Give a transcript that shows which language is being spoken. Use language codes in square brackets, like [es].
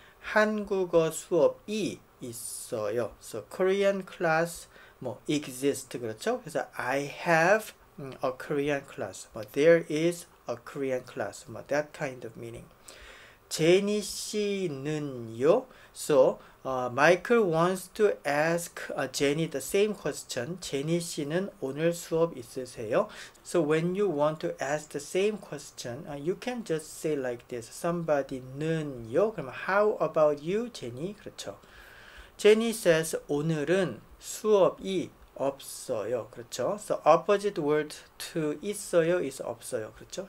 [ko] 한국어 수업이 있어요. [en] So Korean class [ko] 뭐 exist 그렇죠? [en] 그래서 I have a Korean class. 뭐 there is a Korean class. 뭐 that kind of meaning. [ko] 제니 씨는요? [en] So Michael wants to ask Jenny the same question. [ko] 제니 씨는 오늘 수업 있으세요? [en] So when you want to ask the same question, you can just say like this. Somebody는요? 그럼 how about you, Jenny? 그렇죠? Jenny says [ko] 오늘은 수업이 없어요. 그렇죠? [en] So opposite word to 있어요 is 없어요. 그렇죠?